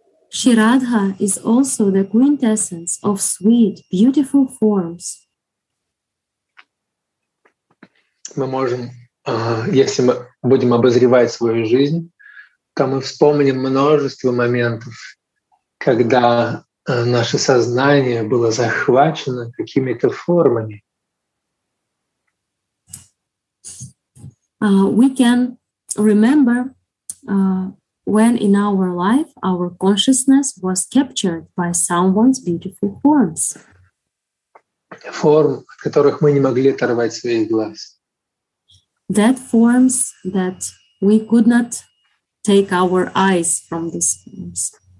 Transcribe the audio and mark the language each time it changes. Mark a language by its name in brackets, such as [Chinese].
[English] Шри Радха is also the quintessence of sweet, beautiful forms. [Russian] Мы можем, если мы будем обозревать свою жизнь, то мы вспомним множество моментов, когда наше сознание было захвачено какими-то формами. [English] We can remember when in our life our consciousness was captured by someone's beautiful forms. [Russian] Форм, от которых мы не могли оторвать своих глаз. [English] That forms that we could not take our eyes from these forms.